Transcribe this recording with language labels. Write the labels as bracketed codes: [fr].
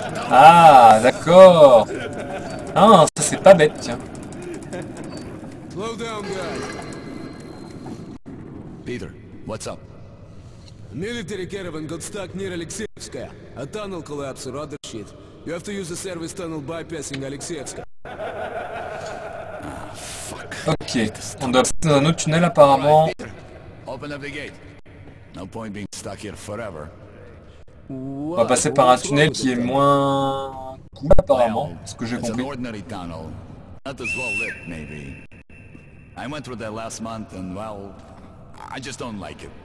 [fr] Ah, d'accord. Ah, ça c'est pas bête, tiens. [en] Slow down, guys. Peter, what's up? A military caravan got stuck near Alexeyevskaya. A tunnel collapse or other shit. You have to use the service tunnel bypassing Alexeyevskaya. Ah, fuck. [fr] Ok, on doit passer dans un autre tunnel apparemment. [en] Right, open up the gate. No point being stuck here forever. [fr] On va passer par un tunnel qui est moins cool apparemment, ce que j'ai compris. [en] It's an ordinary tunnel. Not as well lit, maybe. I went through there last month and well, I just don't like it.